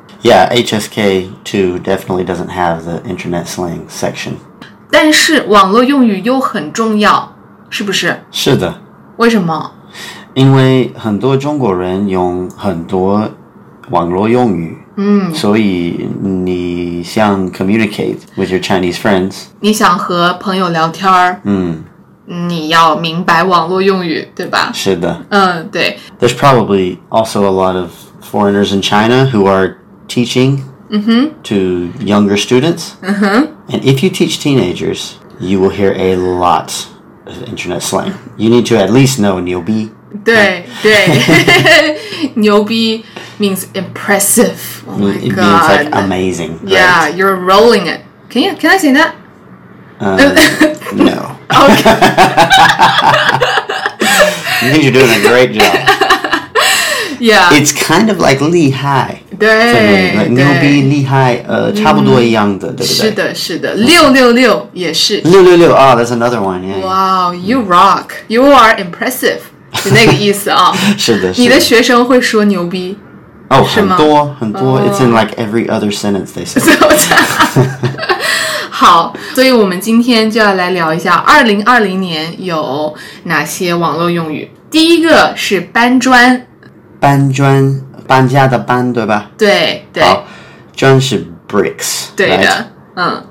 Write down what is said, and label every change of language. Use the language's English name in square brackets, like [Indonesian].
[English] Yeah, HSK 2 definitely doesn't have the internet slang section. [Chinese] 但是网络用语又很重要，是不是？是的。为什么？因为很多中国人用很多网络用语，所以你想 [English] communicate with your Chinese friends. [Chinese] 你想和朋友聊天儿，你要明白网络用语，对吧？是的。对。 [English] There's probably also a lot of foreigners in China who are teaching、to younger students.、And if you teach teenagers, you will hear a lot of internet slang. You need to at least know 牛逼。 [Chinese] 对对。 [English] 牛逼 means impressive. Oh my god. It means like amazing. Yeah,、 right? you're rolling it. Can I say that?、 no. Okay. I think you're doing a great job. Yeah. It's kind of like [Chinese] 厉害对 like, 牛逼厉害、差不多一样的、对不对是的是的六六六也是 [English] 六六六 Oh, that's another one、yeah. Wow, you rock You are impressive [Chinese] 是那个意思啊、是的你的学生会说牛逼哦、 [English] oh, [Chinese] 很多很多、oh. [English] It's in like every other sentence they say [Chinese] 好，所以我们今天就要来聊一下2020年有哪些网络用语。第一个是搬砖。搬砖，搬家的搬，对吧？对，对。好，砖是 bricks, 对的。 [English] Right?